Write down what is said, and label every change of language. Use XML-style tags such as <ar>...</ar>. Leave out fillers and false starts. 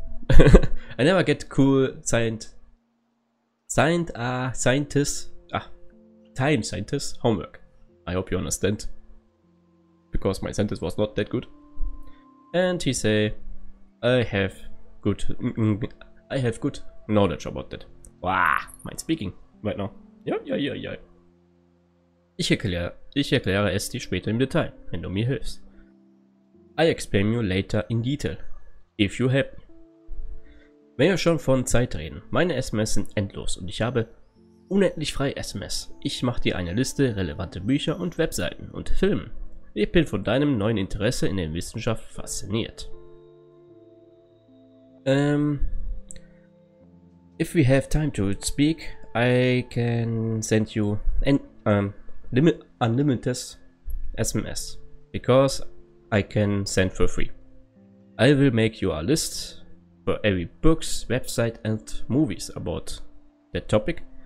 <en>I never get cool time scientist homework. I hope you understand. Because my sentence was not that good. And he say, I have good knowledge about that. Wow, mein speaking right now. Ja.</en> <de>Ich erkläre es dir später im Detail, wenn du mir hilfst.</de> <en>I explain you later in detail, if you help.</en> <de>Wenn wir schon von Zeit reden, meine SMS sind endlos und ich habe unendlich freie SMS. Ich mache dir eine Liste relevante Bücher und Webseiten und Filme. Ich bin von deinem neuen Interesse in der Wissenschaft fasziniert.</de> <en>If we have time to speak, I can send you unlimited SMS, because I can send for free. I will make you a list for every books, website and movies about that topic.</en>